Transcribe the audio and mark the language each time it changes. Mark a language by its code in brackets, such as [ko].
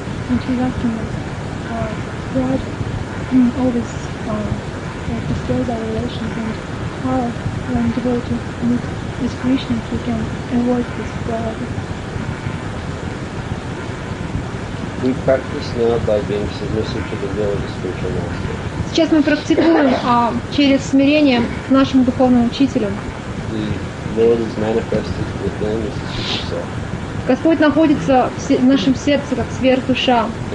[en] And he asked him pride always destroys our relations, and how when devotee meet with Krishna he can avoid this pride. We practice now by being submissive to the will of the spiritual master. [ru] Сейчас мы практикуем через смирение к нашему духовному учителю. [en] The Lord is manifested within us as Supersoul. [ru] Господь находится в нашем сердце как сверхдуша.